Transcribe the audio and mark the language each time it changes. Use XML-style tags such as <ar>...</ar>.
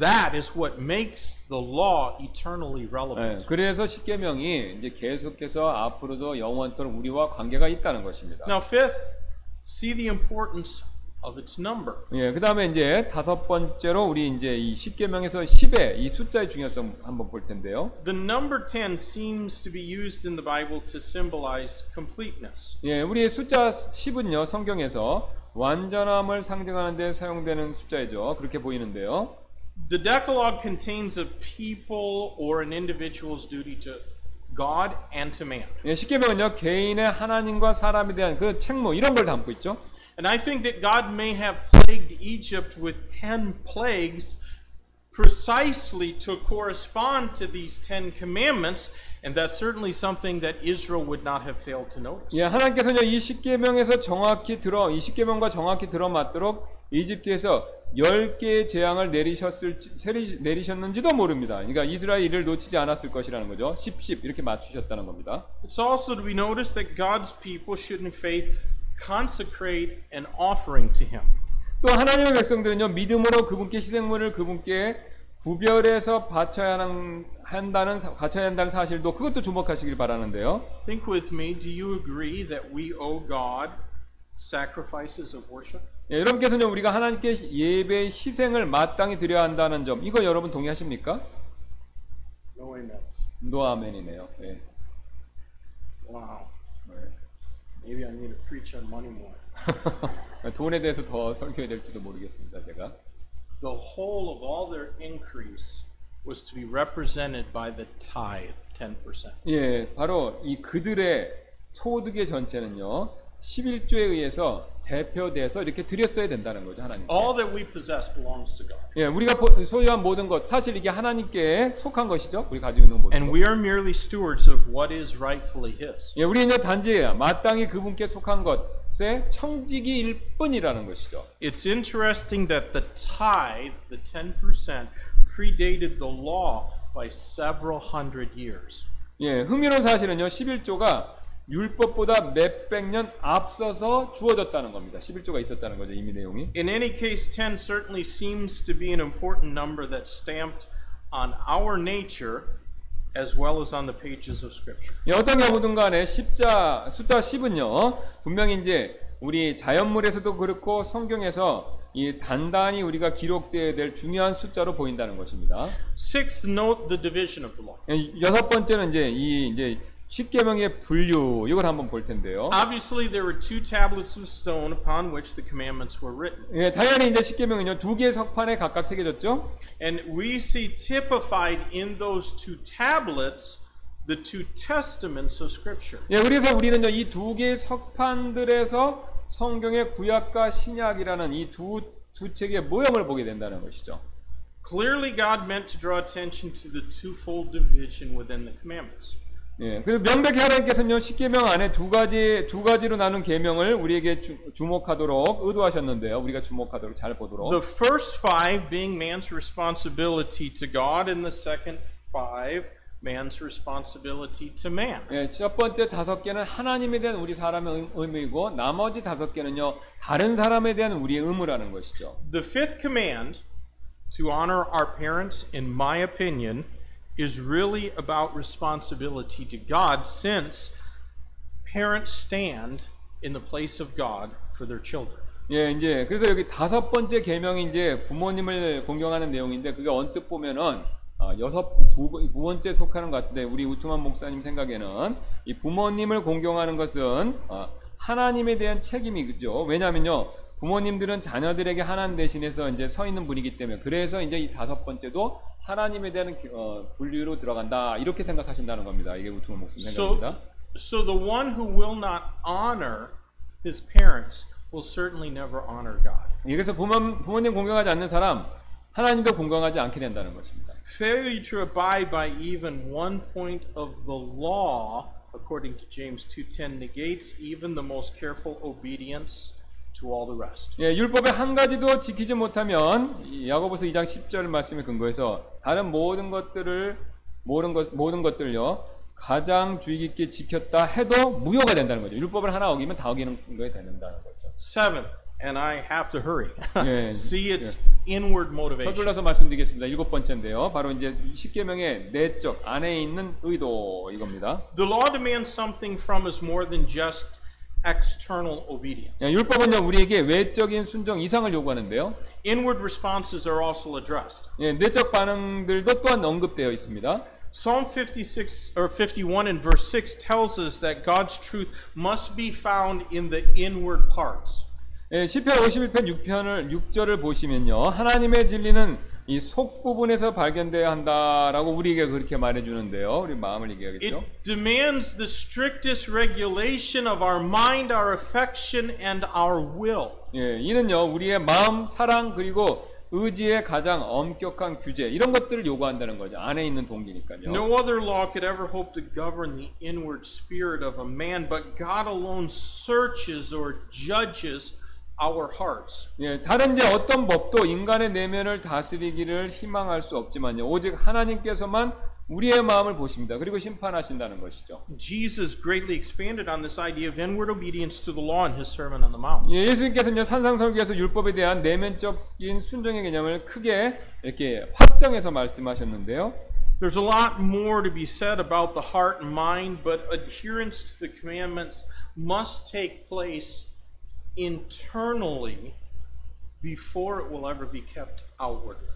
<en>And that is what makes the law eternally relevant.</en> <ko>네, 그래서 십계명이 이제 계속해서 앞으로도 영원토록 우리와 관계가 있다는 것입니다.</ko> <en>Now fifth, see the importance of its number.</en> <ko>예, 그다음에 이제 다섯 번째로 우리 이제 이 십계명에서 10의 이 숫자의 중요성 한번 볼 텐데요.</ko> <en>The number 10 seems to be used in the Bible to symbolize completeness.</en> <ko>예, 우리의 숫자 10은요 성경에서 완전함을 상징하는 데 사용되는 숫자이죠. 그렇게 보이는데요.</ko> <en>The Decalogue contains a people or an individual's duty to God and to man.</en> <ko>예, 십계명은요 개인의 하나님과 사람에 대한 그 책무 이런 걸 담고 있죠.</ko> <en>And I think that God may have plagued Egypt with 10 plagues precisely to correspond to these 10 commandments. And that's certainly something that Israel would not have failed to notice.</en> <ko>예, 하나님께서는 이 십계명에서 정확히 들어 이 십계명과 정확히 들어맞도록 이집트에서 10개의 재앙을 내리셨는지도 모릅니다. 그러니까 이스라엘 일을 놓치지 않았을 것이라는 거죠. 10 이렇게 맞추셨다는 겁니다.</ko> <en>It's also to be noticed that God's people should in faith consecrate an offering to him.</en> <ko>또 하나님의 백성들은요, 믿음으로 그분께 희생물을 그분께 구별해서 바쳐야 하는 한다는 갖춰야 한다는 사실도 그것도 주목하시길 바라는데요.</ko> <en>Think with me. Do you agree that we owe God sacrifices of worship?</en> <ko>예, 여러분께서는 우리가 하나님께 예배의 희생을 마땅히 드려야 한다는 점, 이거 여러분 동의하십니까?</ko> <en>No amen. No amen</en> <ko>이네요. 예.</ko> <en>Wow. Maybe I need to preach on money more.</en> <ko>돈에 대해서 더 설교해야 될지도 모르겠습니다, 제가.</ko> <en>The whole of all their increase was to be represented by the tithe, 10%.</en> <ko>예, 바로 이 그들의 소득의 전체는요, 십일조에 의해서 대표돼서 이렇게 드렸어야 된다는 거죠, 하나님께.</ko> <en>All that we possess belongs to God.</en> <ko>예, 우리가 소유한 모든 것, 사실 이게 하나님께 속한 것이죠, 우리 가지고 있는 모든.</ko> <en>And we are merely stewards of what is rightfully His.</en> <ko>예, 우리는 단지 마땅히 그분께 속한 것. 세 청지기일 뿐이라는 것이죠.</ko> <en>It's interesting that the tithe, the 10% predated the law by several hundred years.</en> <ko>예, 흥미로운 사실은요. 십일조가 율법보다 몇 백년 앞서서 주어졌다는 겁니다. 십일조가 있었다는 거죠, 이미 내용이.</ko> <en>In any case, 10 certainly seems to be an important number that stamped on our nature as well as on the pages of scripture.</en> <ko>예, 어떤 경우든 간에 십자 숫자 10은요. 분명히 이제 우리 자연물에서도 그렇고 성경에서 이 단단히 우리가 기록되어야 될 중요한 숫자로 보인다는 것입니다.</ko> <en>Sixth note the division of the law.</en> <ko>예, 여섯 번째는 이제 이 이제 십계명의 분류 이걸 한번 볼 텐데요.</ko> <en>Obviously there were two tablets of stone upon which the commandments were written.</en> <ko>예, 당연히 이제 십계명은요 두 개의 석판에 각각 새겨졌죠.</ko> <en>And we see typified in those two tablets the two testaments of scripture.</en> <ko>예, 그래서 우리는요 이 두 개의 석판들에서 성경의 구약과 신약이라는 이 두 책의 모형을 보게 된다는 것이죠.</ko> <en>Clearly God meant to draw attention to the twofold division within the commandments.</en> <ko>예, 그래서 명백히 하나님께서는요 십계명 안에 두 가지로 나눈 계명을 우리에게 주목하도록 의도하셨는데요, 우리가 주목하도록 잘 보도록.</ko> <en>The first five being man's responsibility to God, and the second five man's responsibility to man.</en> <ko>예, 첫 번째 다섯 개는 하나님에 대한 우리 사람의 의무이고, 나머지 다섯 개는요 다른 사람에 대한 우리의 의무라는 것이죠.</ko> <en>The fifth command to honor our parents, in my opinion, is really about responsibility to God, since parents stand in the place of God for their children.</en> <ko>예, 이제 그래서 여기 다섯 번째 계명이 이제 부모님을 공경하는 내용인데, 그게 언뜻 보면은 두 번째 속하는 것 같은데, 우리 우투만 목사님 생각에는 이 부모님을 공경하는 것은 하나님에 대한 책임이죠. 왜냐하면요, 부모님들은 자녀들에게 하나님 대신해서 이제 서 있는 분이기 때문에, 그래서 이제 이 다섯 번째도 하나님에 대한 분류로 들어간다, 이렇게 생각하신다는 겁니다. 이게 우투만 목사님 생각입니다.</ko> <en>So the one who will not honor his parents will certainly never honor God.</en> <ko>예, 그래서 부모님 공경하지 않는 사람 하나님도 공경하지 않게 된다는 것입니다.</ko> <en>Failure to abide by even one point of the law, according to James 2:10, negates even the most careful obedience to all the rest.</en> <ko>예, 율법의 한 가지도 지키지 못하면 야고보서 2장 10절 말씀에 근거해서 다른 모든 것들요 가장 주의 깊게 지켰다 해도 무효가 된다는 거죠. 율법을 하나 어기면 다 어기는 거에 된다는 거죠.</ko> <en>Seventh, and I have to hurry. See, it's</en> <ko>예.</ko> <en>inward motivation.</en> <ko>서둘러서 말씀드리겠습니다. 일곱 번째인데요. 바로 이제 십계명의 내적 안에 있는 의도 이겁니다.</ko> <en>The law demands something from us more than just external obedience.</en> <ko>예, 율법은요 우리에게 외적인 순종 이상을 요구하는데요.</ko> <en>Inward responses are also addressed.</en> <ko>예, 내적 반응들도 또한 언급되어 있습니다.</ko> <en>Psalm 56 or 51 in verse 6 tells us that God's truth must be found in the inward parts.</en> <ko>예, 시편 51편 6절을 보시면요, 하나님의 진리는 이 속 부분에서 발견돼야 한다라고 우리에게 그렇게 말해주는데요, 우리 마음을 얘기하겠죠.</ko> <en>It demands the strictest regulation of our mind, our affection, and our will.</en> <ko>예, 이는요 우리의 마음, 사랑 그리고 의지의 가장 엄격한 규제, 이런 것들을 요구한다는 거죠. 안에 있는 동기니까요.</ko> <en>No other law could ever hope to govern the inward spirit of a man, but God alone searches or judges our hearts.</en> <ko>예, 다른 이제 어떤 법도 인간의 내면을 다스리기를 희망할 수 없지만요, 오직 하나님께서만 우리의 마음을 보십니다. 그리고 심판하신다는 것이죠.</ko> <en>Jesus greatly expanded on this idea of inward obedience to the law in his Sermon on the Mount.</en> <ko>예, 예수님께서는 산상설교에서 율법에 대한 내면적인 순종의 개념을 크게 이렇게 확장해서 말씀하셨는데요.</ko> <en>There's a lot more to be said about the heart and mind, but adherence to the commandments must take place internally before it will ever be kept outwardly.</en>